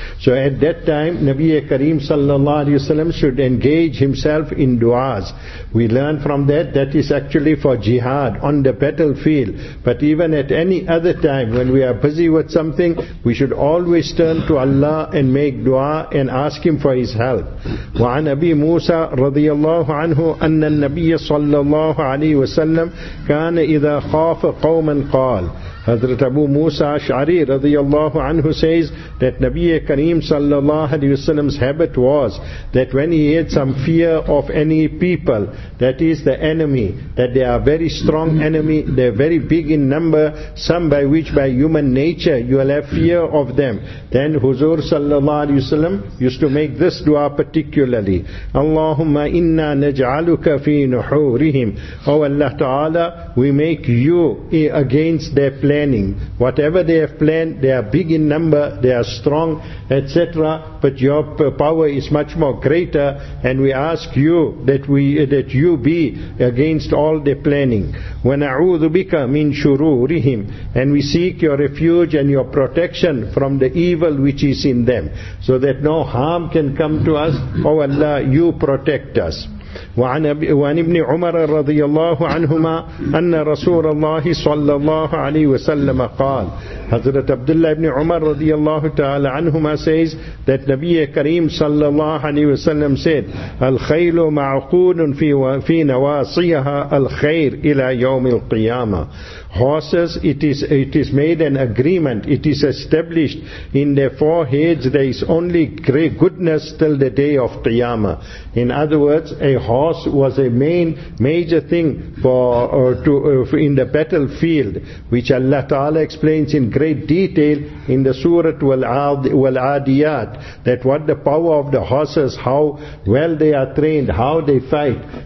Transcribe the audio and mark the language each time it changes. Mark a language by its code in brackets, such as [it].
[en] So at that time Nabi Kareem sallallahu alayhi wa sallam should engage himself in du'as. We learn from that is actually for jihad on the battlefield, but even at any other time when we are busy with something, we should always turn to Allah and make dua and ask Him for His help. [ar] وعن أبي موسى رضي الله عنه أن النبي صلى الله عليه وسلم كان إذا خاف قوما قال. [en] Hazrat Abu Musa Ash'ari radiyallahu anhu says that Nabi Kareem sallallahu alayhi wa sallam's habit was that when he had some fear of any people, that is the enemy, that they are very strong enemy, they are very big in number, some by which by human nature you will have fear of them, then Huzur sallallahu alayhi wa sallam used to make this dua particularly. [ar] Allahumma inna naj'aluka fi nuhurihim. [en] O Allah Ta'ala, we make you against their plan. planning. Whatever they have planned, they are big in number, they are strong, etc. But your power is much more greater, and we ask you that you be against all their planning. [ar] Wa na'udhu bika min shururihim, [en] and we seek your refuge and your protection from the evil which is in them, so that no harm can come to us. O Allah, you protect us. [ar] وعن ابن عمر رضي الله عنهما أن رسول الله صلى الله عليه وسلم قال حضرت عبداللہ ابن عمر رضي الله تعالى عنهما [en] says that [ar] نبي کریم صلى الله عليه وسلم [en] said [ar] الخيل معقول في نواصيها الخير إلى يوم القيامة. [en] Horses, it is made an agreement, it is established in their foreheads, there is only great goodness till the day of Qiyamah. In other words, a horse was a major thing in the battlefield, which Allah Ta'ala explains in great detail in the Surah Wal-Adiyat, that what the power of the horses, how well they are trained, how they fight.